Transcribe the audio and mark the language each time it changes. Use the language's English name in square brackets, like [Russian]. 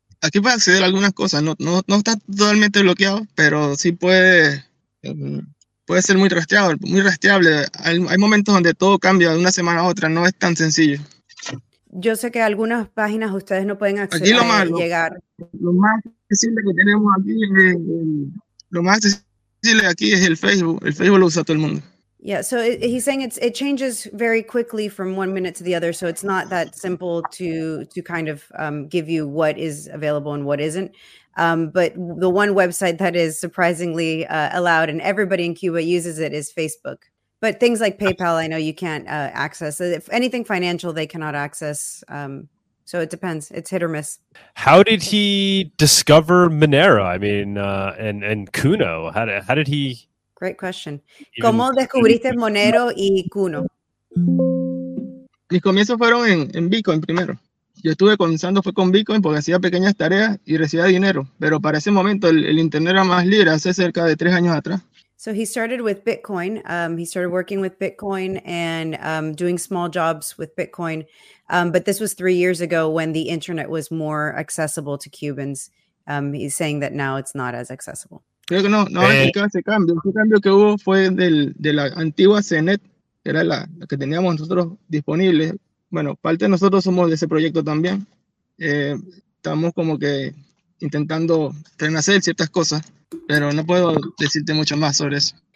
[Spanish] Aquí puedes acceder a algunas cosas, no está totalmente bloqueado, pero sí puede ser muy rastreado, muy rastreable. Hay momentos donde todo cambia de una semana a otra, no es tan sencillo. Yo sé que algunas páginas ustedes no pueden acceder lo más, y llegar. Lo más accesible que tenemos aquí es el Facebook. El Facebook lo usa todo el mundo. [English] Yeah, so he's saying it changes very quickly from one minute to the other, so it's not that simple to kind of give you what is available and what isn't. But the one website that is surprisingly allowed and everybody in Cuba uses it is Facebook. But things like PayPal, I know you can't access. If anything financial, they cannot access. So it depends. It's hit or miss. How did he discover Monero? I mean, and Kuno? How did he... Great question. [Spanish] ¿Cómo descubriste Monero y Kuno? Mis comienzos fueron en Bitcoin primero. Yo estuve comenzando fue con Bitcoin porque hacía pequeñas tareas y recibía dinero. Pero para ese momento el internet era más libre hace cerca de 3 años atrás. [English] So he started with Bitcoin. He started working with Bitcoin and doing small jobs with Bitcoin. But this was 3 years ago when the internet was more accessible to Cubans. He's saying that now it's not as accessible. [Spanish] Creo que no había explicado ese cambio. Ese cambio que hubo fue de la antigua CNET, que era la que teníamos nosotros disponible. Bueno, parte de nosotros somos de ese proyecto también. Estamos como que intentando renacer ciertas cosas, pero no puedo decirte mucho más sobre eso.